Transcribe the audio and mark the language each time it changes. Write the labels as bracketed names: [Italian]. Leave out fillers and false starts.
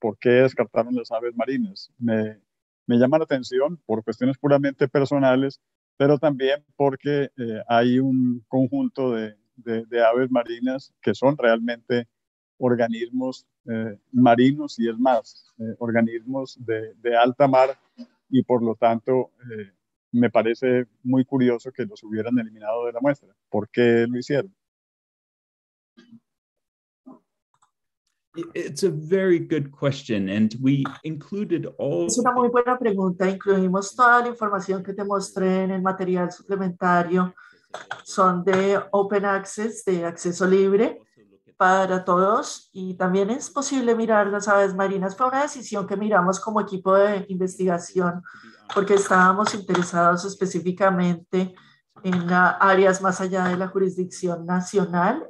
[Spanish] ¿Por qué descartaron las aves marinas? Me llama la atención por cuestiones puramente personales, pero también porque hay un conjunto de aves marinas que son realmente organismos marinos y es más, organismos de alta mar, y por lo tanto me parece muy curioso que los hubieran eliminado de la muestra. ¿Por qué lo hicieron? [English] It's a very good question, and we included all. [Spanish] Es una muy buena pregunta. Incluimos toda la información que te mostré en el material suplementario. Son de open access, de acceso libre para todos, y también es posible mirar las aves marinas. Fue una decisión que miramos como equipo de investigación, porque estábamos interesados específicamente en áreas más allá de la jurisdicción nacional.